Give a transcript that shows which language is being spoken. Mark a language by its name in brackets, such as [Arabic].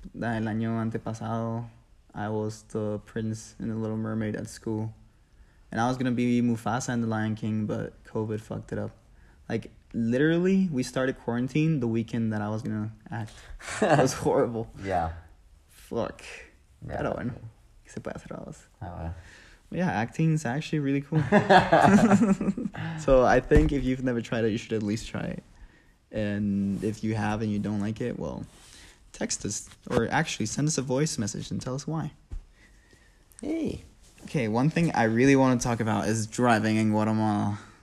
[Spanish] El año antepasado, [English] I was the prince in The Little Mermaid at school. And I was gonna be Mufasa in The Lion King, but COVID fucked it up. Like, literally, we started quarantine the weekend that I was gonna act. It was horrible. Fuck. [Spanish] Pero bueno, ¿qué se puede hacer a dos? [English] But yeah, acting is actually really cool. So I think if you've never tried it, you should at least try it. And if you have and you don't like it, well, text us or actually send us a voice message and tell us why. Hey. Okay, one thing I really want to talk about is driving in Guatemala.